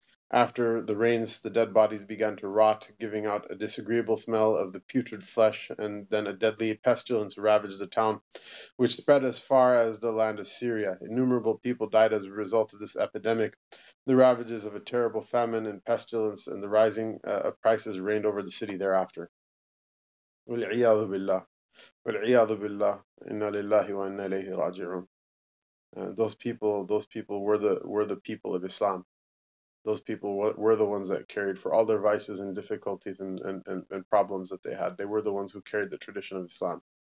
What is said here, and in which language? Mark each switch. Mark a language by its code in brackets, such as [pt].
[en] After the rains, the dead bodies began to rot, giving out a disagreeable smell of the putrid flesh, and then a deadly pestilence ravaged the town, which spread as far as the land of Syria. Innumerable people died as a result of this epidemic. The ravages of a terrible famine and pestilence and the rising of prices reigned over the city thereafter." [ar] والعياذ بالله والعياذ بالله إنا لله وإنا إليه راجعون. [en] Those people were the people of Islam. Those people were the ones that carried for all their vices and difficulties and problems that they had. They were the ones who carried the tradition of Islam.